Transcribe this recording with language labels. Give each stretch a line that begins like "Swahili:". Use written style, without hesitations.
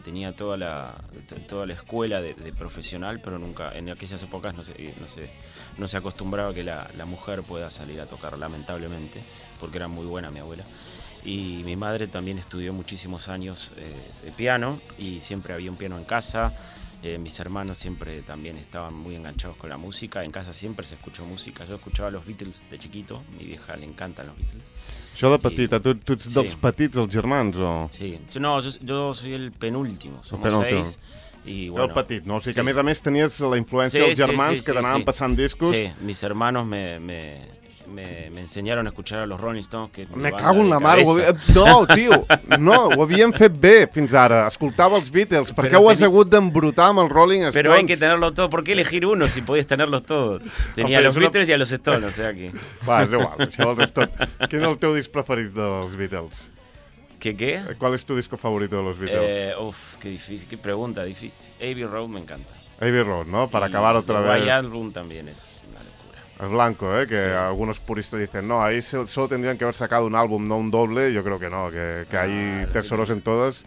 Spanish: Tenía toda la escuela de profesional, pero nunca, en aquellas épocas no se acostumbraba que la mujer pueda salir a tocar, lamentablemente, porque era muy buena mi abuela. Y mi madre también estudió muchísimos años de piano y siempre había un piano en casa. Mis hermanos siempre también estaban muy enganchados con la música. En casa siempre se escuchó música. Yo escuchaba los Beatles de chiquito. A mi vieja le encantan los Beatles.
Catalan: Això de petita, tu ets dels sí. petits, els germans, o...?
Spanish: Sí. No, yo soy el penúltimo. Somos el penúltimo. Seis. Y bueno,
Catalan: el petit, no? O sigui sí. que a més tenies la influència dels germans que t'anaven passant discos.
Spanish: Sí, mis hermanos me enseñaron a escuchar a los Rolling Stones. Que me cago en la mar.
Catalan: No, tio, no, ho havíem fet bé fins ara. Escoltava els Beatles. Per què ho has hagut d'embrutar amb els Rolling Stones?
Spanish: Pero hay que tenerlo todo. ¿Por qué elegir uno si podías tenerlos todos? Tenía a los Beatles y a los Stones, o sea que...
Catalan: Va, és igual, això dels Stones. Quin és el teu disc preferit dels Beatles?
Spanish: ¿Qué? ¿Cuál es tu disco favorito de los Beatles? Uf, qué difícil, qué pregunta difícil. Abbey Road me encanta. Abbey Road, ¿no? Para acabar otra vez. Y Wild Album también es... El Blanco, que sí. algunos puristas dicen, no, ahí solo tendrían que haber sacado un álbum, no un doble. Yo creo que no, que hay tesoros en todas.